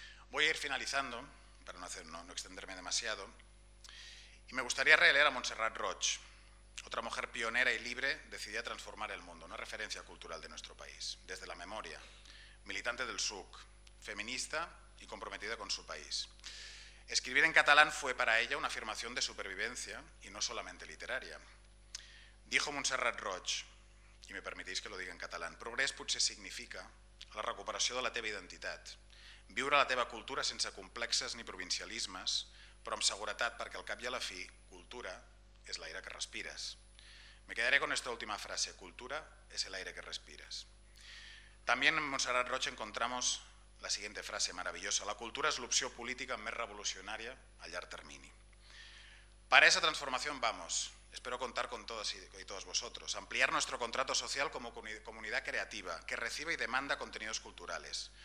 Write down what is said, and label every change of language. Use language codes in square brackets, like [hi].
[es] Voy a ir finalizando, para no extenderme demasiado, y me gustaría releer a Montserrat Roig, otra mujer pionera y libre decidida a transformar el mundo, una referencia cultural de nuestro país, desde la memoria. Militante del SUC, feminista y comprometida con su país. Escribir en catalán fue para ella una afirmación de supervivencia y no solamente literaria. Dijo Montserrat Roig, y me permitís que lo diga en catalán, [ca] «Progrés potser significa la recuperació de la teva identitat, viure la teva cultura sense complexes ni provincialismes, però amb seguretat perquè al cap i a la fi, cultura és l'aire que respires». [es] Me quedaré con esta última frase, [ca] «Cultura és l'aire que respires». [es] También en Montserrat Roig encontramos la siguiente frase maravillosa. La cultura es la opción política más revolucionaria [ca] a llarg termini. [es] Para esa transformación vamos. Espero contar con todas y todos vosotros. Ampliar nuestro contrato social como comunidad creativa que recibe y demanda contenidos culturales.